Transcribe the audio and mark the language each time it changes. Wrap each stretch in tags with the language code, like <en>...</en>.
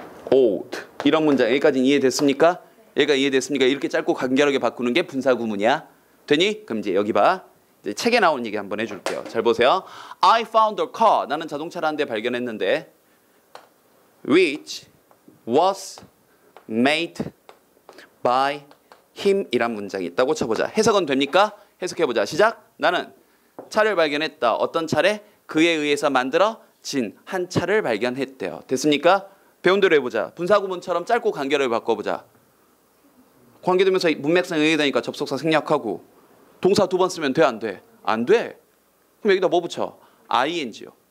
<en>old.</en> <ko>이런 문장. 여기까지는 이해됐습니까? 얘가 이해됐습니까? 이렇게 짧고 간결하게 바꾸는 게 분사 구문이야. 되니? 그럼 이제 여기 봐. 이제 책에 나온 얘기 한번 해줄게요. 잘 보세요.</ko> <en>I found a car.</en> <ko>나는 자동차를 한 대 발견했는데.</ko> <en>Which was made by him</en> <ko>이란 문장이 있다고 쳐보자. 해석은 됩니까? 해석해보자. 시작. 나는 차를 발견했다. 어떤 차래? 그에 의해서 만들어진 한 차를 발견했대요. 됐습니까? 배운 대로 해보자. 분사 구문처럼 짧고 간결하게 바꿔보자. 관계되면서 문맥상 의외되니까 접속사 생략하고 동사 두 번 쓰면 돼? 안 돼? 안 돼. 그럼 여기다 뭐 붙여? ing요.</ko>